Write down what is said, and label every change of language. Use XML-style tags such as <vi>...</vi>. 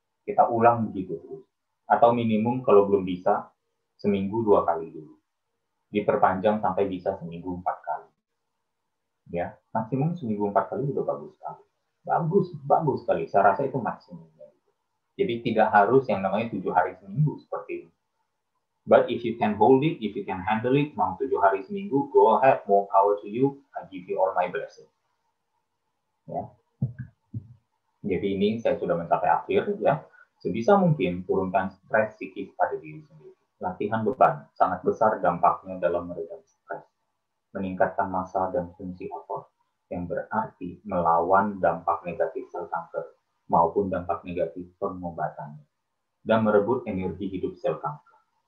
<id>Kita ulang begitu terus. Atau minimum kalau belum bisa, seminggu 2 kali dulu. Diperpanjang sampai bisa seminggu 4 kali. Ya, maksimum seminggu 4 kali sudah bagus sekali. Bagus, bagus sekali. Saya rasa itu maksimumnya. Jadi tidak harus yang namanya 7 hari seminggu seperti ini.</id> <en>But if you can hold it, if you can handle it,</en> <id>mau 7 hari seminggu,</id> <en>go ahead, more power to you, I give you all my blessing.</en> <id>Ya. Jadi ini saya sudah mencapai akhir, ya. Sebisa mungkin turunkan stres psikis pada diri sendiri. Latihan beban sangat besar dampaknya dalam meredam stres, meningkatkan massa dan fungsi otot, yang berarti melawan dampak negatif sel kanker maupun dampak negatif pengobatannya, dan merebut energi hidup sel kanker.</id>